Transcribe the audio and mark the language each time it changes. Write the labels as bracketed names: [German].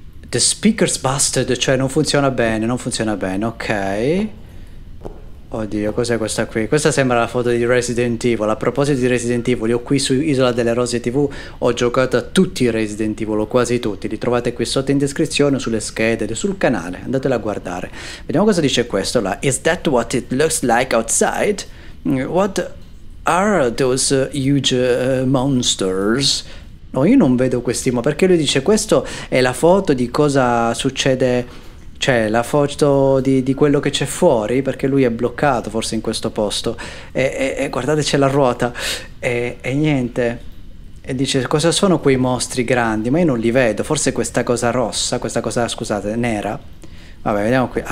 [English] The speaker's busted, [Italian] cioè non funziona bene, ok. Oddio, cos'è questa qui? Questa sembra la foto di Resident Evil. A proposito di Resident Evil, io qui su Isola delle Rose TV ho giocato a tutti i Resident Evil, o quasi tutti. Li trovate qui sotto in descrizione, sulle schede, sul canale, andatela a guardare. Vediamo cosa dice questo là. [English] Is that what it looks like outside? What are those huge monsters? [Italian] No, io non vedo questi, ma perché lui dice questo è la foto di cosa succede, cioè la foto di quello che c'è fuori, perché lui è bloccato forse in questo posto e guardate c'è la ruota e niente, e dice cosa sono quei mostri grandi, ma io non li vedo, forse questa cosa rossa, questa cosa, scusate, nera, vabbè, vediamo qui.